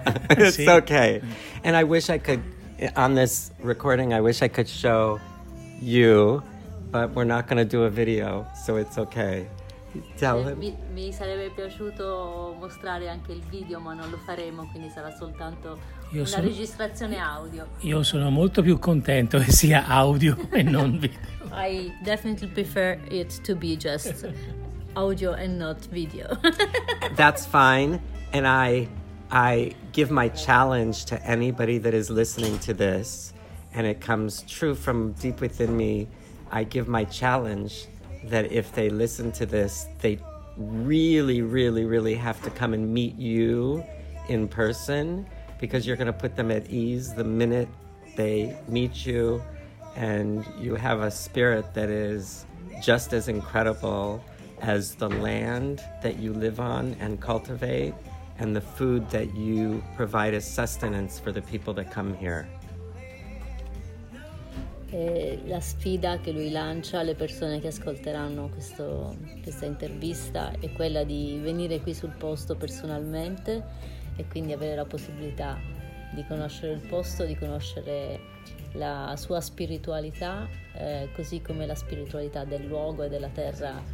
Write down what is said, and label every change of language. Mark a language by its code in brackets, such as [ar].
[en] It's okay. And I wish I could, on this recording, I wish I could show you, but we're not going to do a video, so it's okay. Tell him. [it] Mi sarebbe piaciuto mostrare anche il video, ma non lo faremo, quindi sarà soltanto una registrazione audio. Io sono molto più contento che sia audio e non video. [en] I definitely prefer it to be just audio and not video. That's fine. And I give my challenge to anybody that is listening to this, and it comes true from deep within me. I give my challenge that if they listen to this, they really, really, really have to come and meet you in person, because you're going to put them at ease the minute they meet you. And you have a spirit that is just as incredible as the land that you live on and cultivate, and the food that you provide as sustenance for the people that come here. [it] E la sfida che lui lancia alle persone che ascolteranno questa intervista è quella di venire qui sul posto personalmente e quindi avere la possibilità di conoscere il posto, di conoscere la sua spiritualità, così come la spiritualità del luogo e della terra.